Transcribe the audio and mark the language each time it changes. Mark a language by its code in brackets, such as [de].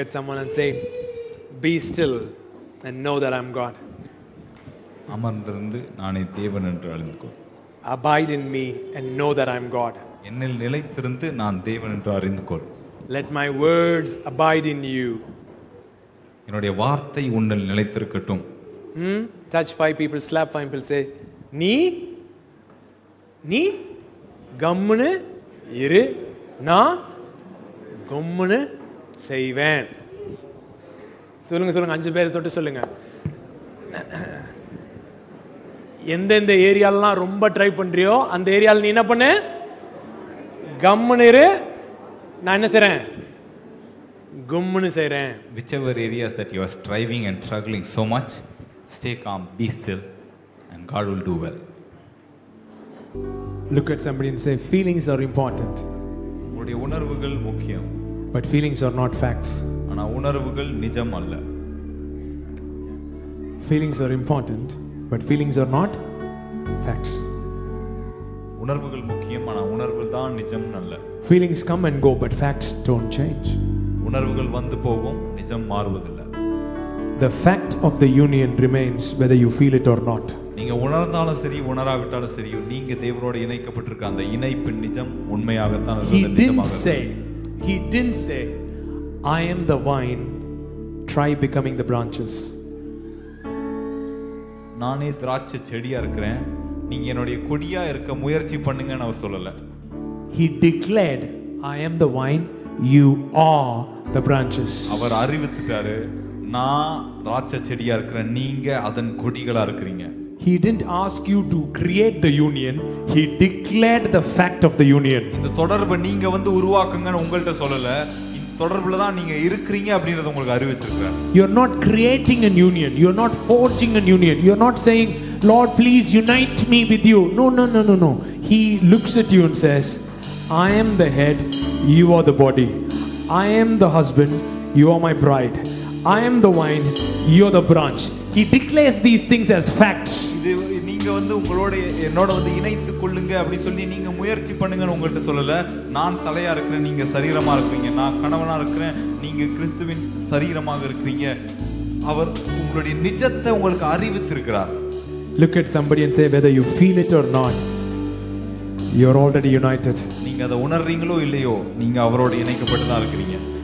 [en] at someone and say, be still and know that I'm God. [ta] அமர்ந்திருந்து நானே தேவன் என்று அறிந்துகொள். [en] Abide in me and know that I'm God. [ta] என்னில் நிலைத்திருந்து நான் தேவன் என்று அறிந்துகொள். [en] Let my words abide in you. [ta] என்னுடைய வார்த்தை உன்னில் நிலைத்திருக்கட்டும். [en] Touch five people, slap five people, say, [ta] நீ கம்முனு இரு, நான் கம்முனு செய்வேன். சொல்லுங்க சொல்லுங்க, அஞ்சு பேரை தொட்டு சொல்லுங்க. எந்தெந்த ஏரியாலாம் ரொம்ப ட்ரை பண்றியோ அந்த ஏரியாவில் நீ என்ன பண்ணு, கம்முனு இரு. நான் என்ன செய்றேன், கம்முனு செய்றேன். [en] Whichever areas that you are striving and struggling so much, stay calm, be still, and God will do well. Look at somebody and say, feelings are important. [ta] உங்களுடைய உணர்வுகள் முக்கியம். [en] But feelings are not facts. [ta] ஆனா உணர்வுகள் நிஜம் அல்ல. [en] Feelings are important, but feelings are not facts. [ta] உணர்வுகள் முக்கியம், ஆனா உணர்வுகள் தான் நிஜம் அல்ல. [en] Feelings come and go, but facts don't change. [ta] உணர்வுகள் வந்து போகும், நிஜம் மாறுவதில்லை. [en] The fact of the union remains whether you feel it or not. [ta] நீங்க உணர்ந்தாலும் சரி உணராவிட்டாலும் சரி நீங்க தேவரோடு இணைக்கப்பட்டிருக்க அந்த இணைப்பு நிஜம் உண்மையாக தான் இருக்கிறது. [en] He didn't say, I am the vine, try becoming the branches. [ta] நானே திராட்சை செடியா இருக்கிறேன், நீங்க என்னுடைய கொடியா இருக்க முயற்சி பண்ணுங்கன்னு அவர் சொல்லல. [en] He declared, I am the vine, you are the branches. [ta] அவர் அறிவித்துட்டாரு, நான் திராட்சை செடியா இருக்கிறேன், நீங்க அதன் கொடிகளா இருக்கிறீங்க. [en] He didn't ask you to create the union, he declared the fact of the union. [ta] இந்த தொடர்பு நீங்க வந்து உருவாக்குங்கன்னு உங்கள்ட்ட சொல்லல, தொடர்புல தான் நீங்க இருக்கிறீங்க அப்படிங்கறத உங்களுக்கு அறிவிச்சிருக்கார். [en] You are not creating a union, you are not forging a union, you are not saying Lord please unite me with you. No, he looks at you and says, I am the head, you are the body. I am the husband, you are my bride. I am the vine, you are the branch. He declares these things as facts. [ta] இது நீங்க வந்து உங்களோட என்னோட வந்து இணைத்துக் கொள்ளுங்க அப்படி சொல்லி நீங்க முயற்சி பண்ணுங்கன்னு உங்கள்ட்ட சொல்லல. நான் தலையா இருக்கிறேன், நீங்க சரீரமா இருக்கீங்க. நான் கணவனா இருக்கிறேன், நீங்க கிறிஸ்துவின் சரீரமாக இருக்கீங்க. அவர் உங்களுடைய நிஜத்தை உங்களுக்கு அறிவித்திருக்கிறார். [en] Look at somebody and say whether you feel it or not, you're already united. [ta] நீங்க அதை உணர்றீங்களோ இல்லையோ நீங்க அவரோட இணைக்கப்பட்டு தான் இருக்கீங்க.